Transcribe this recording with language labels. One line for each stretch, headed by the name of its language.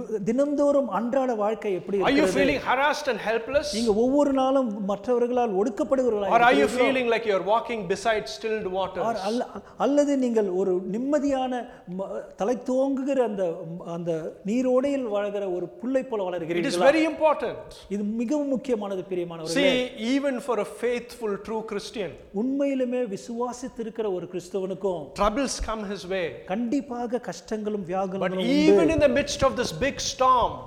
Tamil: தினந்தோறும் அன்றாட வாழ்க்கை எப்படி இருக்கு?
English: Are you feeling harassed and helpless?
Tamil: நீங்க ஒவ்வொரு நாளும் மற்றவர்களால் ஒடுக்கப்படுகிறவர்களா?
English: Or are you feeling like you're walking beside stilled waters?
Tamil: அல்லது நீங்கள் ஒரு நிம்மதியான தலை தோங்குகிற அந்த நீரோடையில் வளர்கிற ஒரு புல்லை போல வளர்கிறீர்களா?
English: It is very important.
Tamil: இது மிகவும் முக்கியமானது பிரியமானவர்களே.
English: See, even for a faithful true Christian,
Tamil: உண்மையிலுமே விசுவாசித்திருக்கிற ஒரு கிறிஸ்தவனுக்கும்
English: troubles come his way,
Tamil: கண்டிப்பாக கஷ்டங்களும் வியாகுலங்களும் உண்டு.
English: But even in the midst of this big storm,